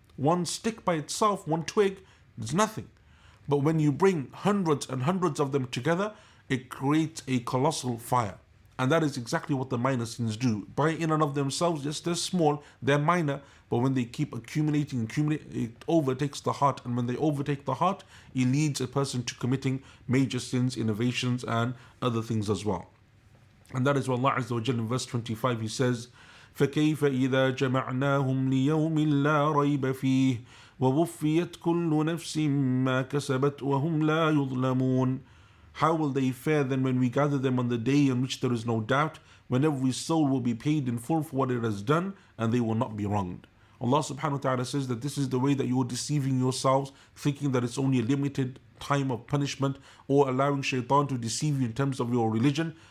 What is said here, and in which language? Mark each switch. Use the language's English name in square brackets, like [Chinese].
[English] One stick by itself, one twig, is nothing. But when you bring hundreds and hundreds of them together, it creates a colossal fire. And that is exactly what the minor sins do. By in and of themselves, yes, they're small, they're minor, but when they keep accumulating, it overtakes the heart. And when they overtake the heart, it leads a person to committing major sins, innovations, and other things as well. And that is why Allah Azza wa Jalla in verse 25, He says, [Arabic] فَكَيْفَ إِذَا جَمَعْنَاهُمْ لِيَوْمٍ لَا رَيْبَ فِيهِ وَوُفِّيَتْ كُلُّ نَفْسٍ مَّا كَسَبَتْ وَهُمْ لَا يُظْلَمُونَ. [English] How will they fare then when we gather them on the day on which there is no doubt, when every soul will be paid in full for what it has done, and they will not be wronged? Allah subhanahu wa ta'ala says that this is the way that you are deceiving yourselves, thinking that it's only a limited time of punishment, or allowing shaitan to deceive you in terms of your religion.